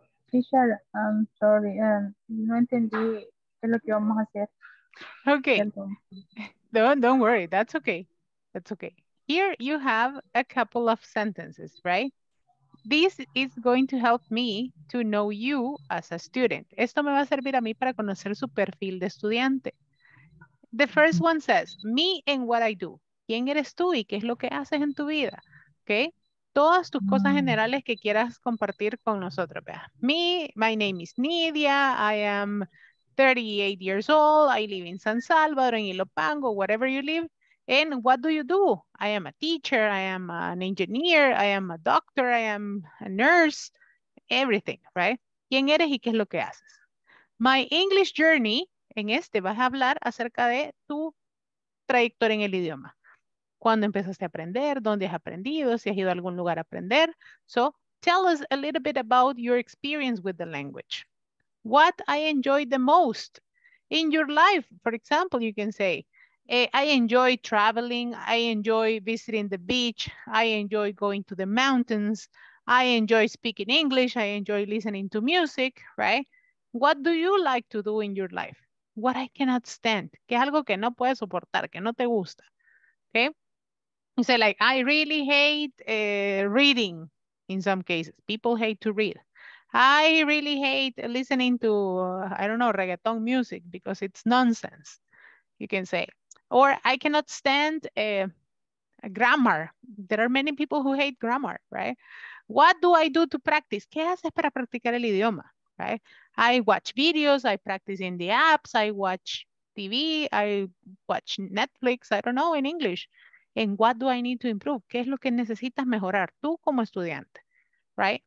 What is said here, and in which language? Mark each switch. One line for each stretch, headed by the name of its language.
English: Teacher, I'm sorry,
Spanish: no entendí qué es lo que vamos a hacer.
English: Okay, don't worry, that's okay, that's okay. Here you have a couple of sentences, right? This is going to help me to know you as a student.
Spanish: Esto me va a servir a mí para conocer su perfil de estudiante.
English: The first one says, me and what I do.
Spanish: ¿Quién eres tú y qué es lo que haces en tu vida? Okay? Todas tus cosas generales que quieras compartir con nosotros.
English: Vea. Me, my name is Nidia, I am 38 years old, I live in San Salvador, in Ilopango, wherever you live. And what do you do? I am a teacher, I am an engineer, I am a doctor, I am a nurse, everything, right?
Spanish: ¿Quién eres y qué es lo que haces?
English: My English journey,
Spanish: en este vas a hablar acerca de tu trayectoria en el idioma. ¿Cuándo empezaste a aprender? ¿Dónde has aprendido? ¿Si has ido a algún lugar a aprender?
English: So, tell us a little bit about your experience with the language. What I enjoy the most in your life, for example, you can say, I enjoy traveling, I enjoy visiting the beach, I enjoy going to the mountains, I enjoy speaking English, I enjoy listening to music, right? What do you like to do in your life? What I cannot stand,
Spanish: que es algo que no puedes soportar, que no te gusta,
English: okay? You say like, I really hate reading in some cases. People hate to read. I really hate listening to, I don't know, reggaeton music because it's nonsense, you can say. Or I cannot stand a grammar. There are many people who hate grammar, right? What do I do to practice?
Spanish: ¿Qué haces para practicar el idioma,
English: right? I watch videos, I practice in the apps, I watch TV, I watch Netflix, I don't know, in English. And what do I need to improve?
Spanish: ¿Qué es lo que necesitas mejorar tú como estudiante, right?